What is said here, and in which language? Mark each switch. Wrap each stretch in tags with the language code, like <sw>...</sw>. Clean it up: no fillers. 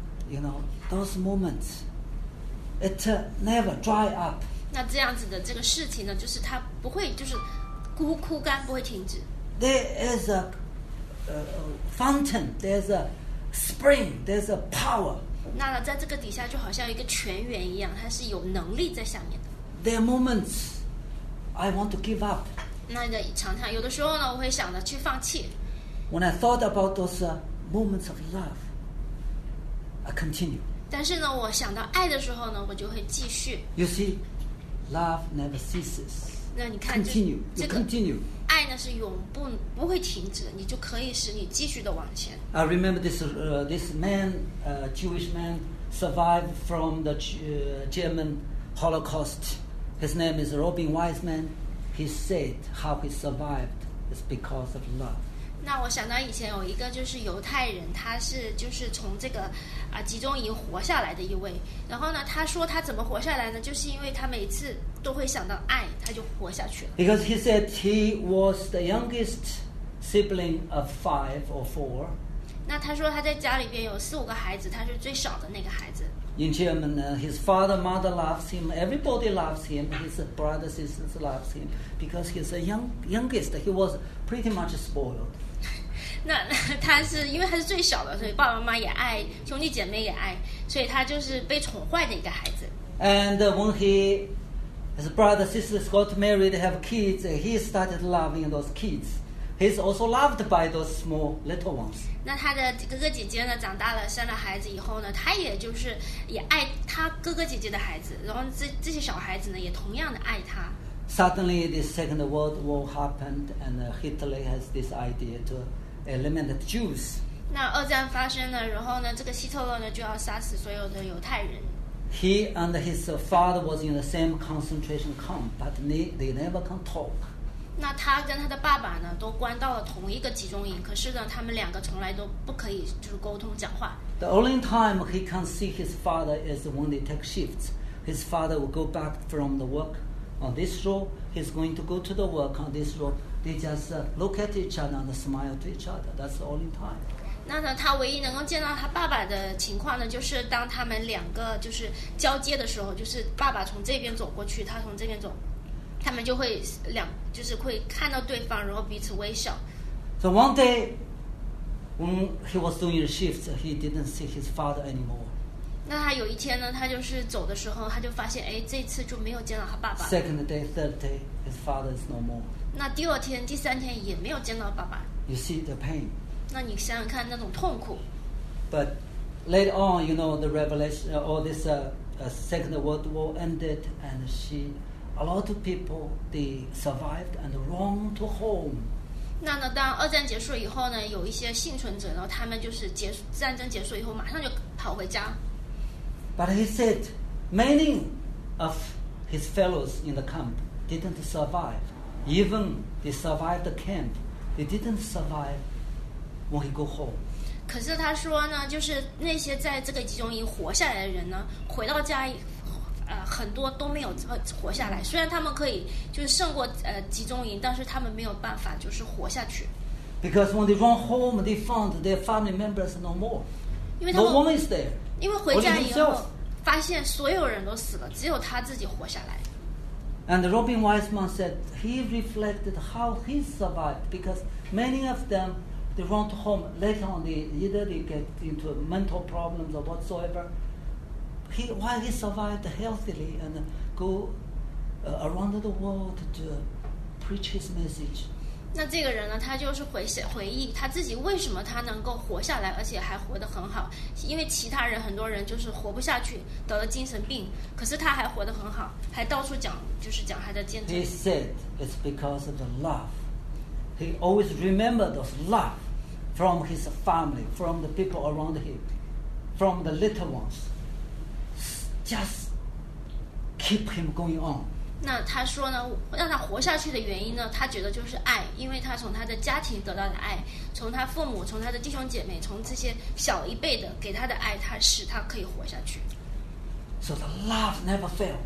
<en>You know, those moments, it never dry up.</en> <zh>那这样子的这个事情呢，就是它不会就是枯干，不会停止。</zh> <en>There is a fountain. There's a spring. There's a power.</en> <zh>那在这个底下就好像一个泉源一样，它是有能力在下面的。</zh> <en>There are moments I want to give up.</en> <zh>那个常常有的时候呢，我会想着去放弃。</zh> <en>When I thought about those moments of love, I continue.</en> <zh>但是呢，我想到爱的时候呢，我就会继续。</zh> <en>You see, love never ceases.</en> <zh>那你看</zh> <en>continue,</en> <zh>这个</zh> <en>continue.</en> <zh>爱呢是永不会停止的，你就可以使你继续的往前。</zh> <en>I remember this this man, Jewish man, survived from the German Holocaust. His name is Robin Wiseman. He said how he survived is because of love.</en> <zh>那我想到以前有一个就是犹太人，他是就是从这个集中营活下来的一位。然后呢，他说他怎么活下来呢？就是因为他每次都会想到爱，他就活下去了。</zh> <en>Because he said he was the youngest sibling of five or four.</en> <zh>那他说他在家里边有四五个孩子，他是最小的那个孩子。</zh> <en>In German, his father, mother loves him. Everybody loves him. His brothers, sisters loves him because he's the youngest. He was pretty much spoiled.</en> <zh>那他是因为他是最小的，所以爸爸妈妈也爱，兄弟姐妹也爱，所以他就是被宠坏的一个孩子。</zh> <en>And when his brothers, sisters got married, have kids, he started loving those kids. He's also loved by those small little ones.</en> <zh>那他的哥哥姐姐呢？长大了，生了孩子以后呢？他也就是也爱他哥哥姐姐的孩子，然后这些小孩子呢，也同样的爱他。</zh> <en>Suddenly, the Second World War happened, and Hitler has this idea to eliminate the Jews.</en> <zh>那二战发生了，然后呢，这个希特勒呢就要杀死所有的犹太人。</zh> <en>He and his father was in the same concentration camp, but they never can talk.</en> <zh>那他跟他的爸爸呢，都关到了同一个集中营，可是呢，他们两个从来都不可以就是沟通讲话。</zh> <en>The only time he can see his father is when they take shifts. His father will go back from the work. On this row, he's going to go to the work. On this row, they just look at each other and smile to each other. That's the only time.</en> <zh>那呢，他唯一能够见到他爸爸的情况呢，就是当他们两个就是交接的时候，就是爸爸从这边走过去，他从这边走，他们就会就是会看到对方，然后彼此微笑。</zh> <en>So one day, when he was doing the shifts, he didn't see his father anymore.</en> <zh>那他有一天呢，他就是走的时候，他就发现，哎，这次就没有见到他爸爸。</zh> <en>Second day, third day, his father is no more.</en> <zh>那第二天、第三天也没有见到爸爸。</zh> <en>You see the pain.</en> <zh>那你想想看那种痛苦。</zh> <en>But later on, you know, the revelation, all this Second World War ended, and she. A lot of people they survived and run to home.</en> <zh>那呢，当二战结束以后呢，有一些幸存者呢，他们就是战争结束以后，马上就跑回家。</zh> <en>But he said many of his fellows in the camp didn't survive. Even they survived the camp, they didn't survive when he go home.</en> <zh>可是他说呢，就是那些在这个集中营活下来的人呢，回到家。很多都没有活下来，虽然他们可以就是胜过集中营，但是他们没有办法就是活下去。</zh> <en>Because when they run home, they found their family members no more.</en> <zh>因为他们</zh> <en>no one is there.</en> <zh>因为回家以后发现所有人都死了，只有他自己活下来。</zh> <en>And Robin Wiseman said he reflected how he survived because many of them they run to home later on they either they get into mental problems or whatsoever. While he survived healthily and go around the world to preach his message.</en> <zh>那这个人呢，他就是回忆他自己为什么他能够活下来，而且还活得很好。因为其他人很多人就是活不下去，得了精神病，可是他还活得很好，还到处讲，就是讲他的见证。</zh> <en>He said it's because of the love. He always remembered the love from his family, from the people around him, from the little ones. Just keep him going on.</en> <zh>那他说呢，让他活下去的原因呢，他觉得就是爱，因为他从他的家庭得到的爱，从他父母，从他的弟兄姐妹，从这些小一辈的给他的爱，他使他可以活下去。</zh> <en>So the love never fails.</en>